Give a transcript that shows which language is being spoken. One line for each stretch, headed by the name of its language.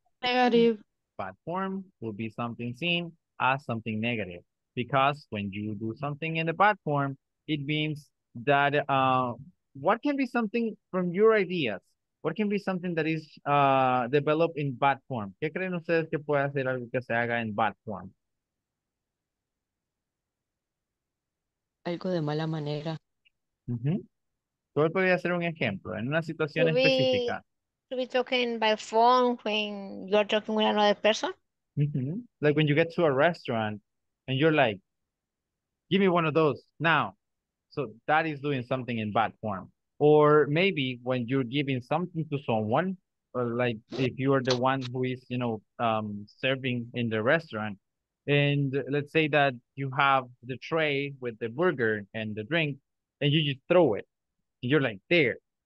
English: Negative. Bad form will be something seen as something negative, because when you do something in the bad form, it means that what can be something from your ideas? What can be something that is developed in bad form?
Spanish: ¿Qué creen ustedes que puede hacer algo que se haga en
English: bad form?
Spanish: Algo de mala manera. Mm-hmm. Tú podrías hacer un ejemplo en una situación específica.
English: Should we talking by phone when you're talking with another person? Like when you get to a restaurant and you're like, give me one of those now. So that is doing something in bad form. Or maybe when you're giving something to someone, or like if you are the one who is, serving in the restaurant, and let's say that you have the tray with the burger and the drink, and you just throw it. You're like there.